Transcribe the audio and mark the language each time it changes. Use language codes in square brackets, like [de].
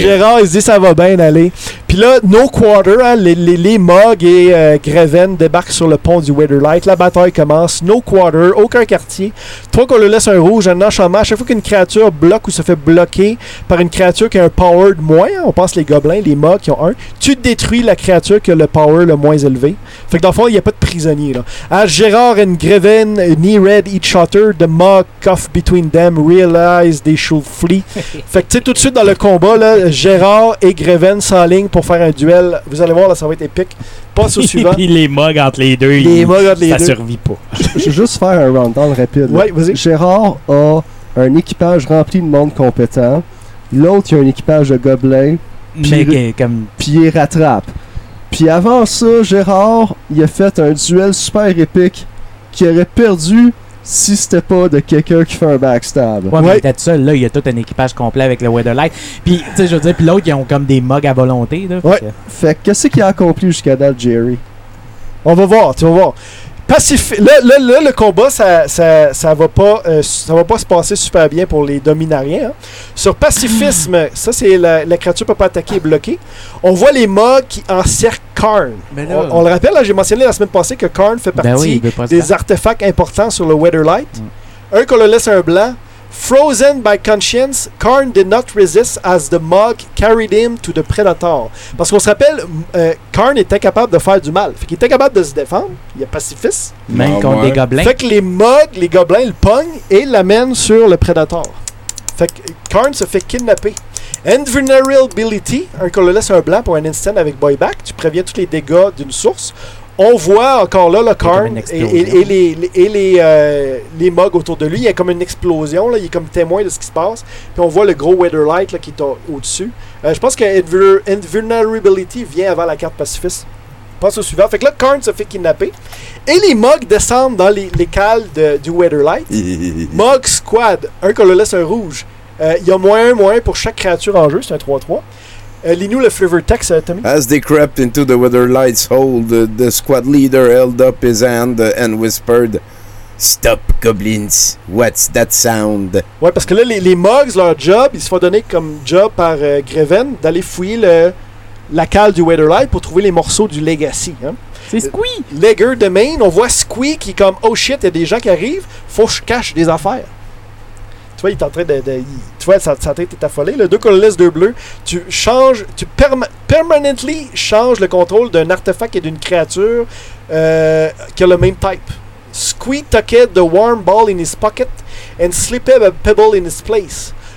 [fr] Gérard, il se dit ça va bien aller. Puis là, no quarter, hein, les Mog et Greven débarquent sur le pont du Witherlight. La bataille commence. No quarter, aucun quartier. Toi qu'on le laisse un rouge, un enchantement. À chaque fois qu'une créature bloque ou se fait bloquer par une créature qui a un power de moins, hein, on pense les gobelins, les Mog qui ont un, tu détruis la créature qui a le power le moins élevé. Fait que dans le fond, il n'y a pas de prisonnier. [en] As Gérard and Greven knee read each other, the Mog cough between them, realize they should flee. [fr] Fait que tu sais, tout de suite dans le combat, là, Gérard et Greven s'enlignent pour faire un duel. Vous allez voir, là, ça va être épique. Passe au suivant. Puis les Mog entre les deux, ça survit pas. Je vais juste faire un round-down rapide. Ouais, vas-y. Gérard a un équipage rempli de monde compétent. L'autre, il y a un équipage de gobelins. Puis il rattrape. Puis avant ça, Gérard, il a fait un duel super épique qu'il aurait perdu si c'était pas de quelqu'un qui fait un backstab. Ouais, mais il était seul. Là, il y a tout un équipage complet avec le Weatherlight. Puis, tu sais, je veux dire, puis l'autre, ils ont comme des mugs à volonté. Là, ouais. Fait que qu'est-ce qu'il a accompli jusqu'à date, Jerry? On va voir, tu vas voir. Là, le combat, ça va pas se passer super bien pour les dominariens. Hein. Sur pacifisme, ça, c'est la créature peut pas attaquer et bloquer. On voit les Mogs qui encerclent Karn. On le rappelle, là, j'ai mentionné la semaine passée que Karn fait partie des artefacts importants sur le Weatherlight. Mm. Un qu'on le laisse un blanc. [en] Frozen by conscience, Karn did not resist as the Mog carried him to the Predator. [fr] Parce qu'on se rappelle, Karn est incapable de faire du mal. Fait qu'il est incapable de se défendre. Il est pacifiste. Même contre des gobelins. Fait que les Mogs, les gobelins, le pognent et l'amènent sur le Predator. Fait que Karn se fait kidnapper. Invulnerability, un qu'on le laisse un blanc pour un instant avec Boyback. Tu préviens tous les dégâts d'une source. On voit encore là le Karn et les Mogs autour de lui. Il y a comme une explosion. Là. Il est comme témoin de ce qui se passe. Puis on voit le gros Weatherlight qui est au-dessus. Je pense que Invulnerability vient avant la carte pacifiste. Passe au suivant. Fait que là, Karn se fait kidnapper. Et les Mogs descendent dans les cales du Weatherlight. Mog Squad. Un qu'on le laisse un rouge. Il y a -1/-1 pour chaque créature en jeu. C'est un 3-3. Lis-nous le flavor text, Tommy. [en] As they crept into the Weatherlight's hold, the squad leader held up his hand and whispered, "Stop, goblins. What's that sound?" [fr] Ouais, parce que là, les Mogs, leur job, ils se font donner comme job par Greven d'aller fouiller la cale du Weatherlight pour trouver les morceaux du Legacy. Hein? C'est Squee. Legger de Main, on voit Squee qui est comme, [en] oh shit, [fr] il y a des gens qui arrivent, faut que je cache des affaires. Tu vois, il est en train sa tête est affolée. Le deux qu'on le laisse deux bleus, tu [en] permanently changes [fr] le contrôle d'un artefact et d'une créature qui a le même type. [en] Squee tucked the warm ball in his pocket and slipped a pebble in his place.